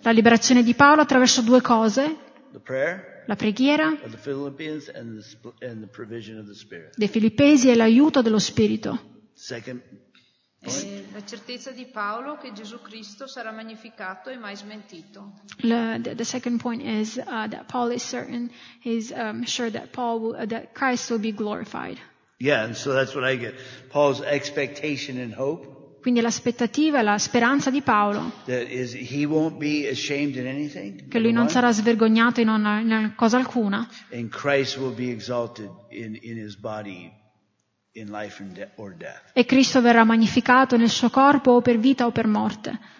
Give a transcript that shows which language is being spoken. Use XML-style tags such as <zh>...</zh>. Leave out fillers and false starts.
<it>La liberazione di Paolo attraverso due cose.</it> <en>The prayer,</en> <it>la preghiera</it> <en>of the Philippians and the provision of the Spirit.</en> <it>Dei Filippesi e l'aiuto dello Spirito.</it> <en>Second point.</en> <it>La certezza di Paolo che Gesù Cristo sarà magnificato e mai smentito.</it> <en>The second point is that Paul is certain, he's sure that Paul will, that Christ will be glorified. Yeah, and so that's what I get. Paul's expectation and hope.</en> <it>Quindi l'aspettativa e la speranza di Paolo che lui non sarà svergognato in cosa alcuna e Cristo verrà magnificato nel suo corpo o per vita o per morte.</it>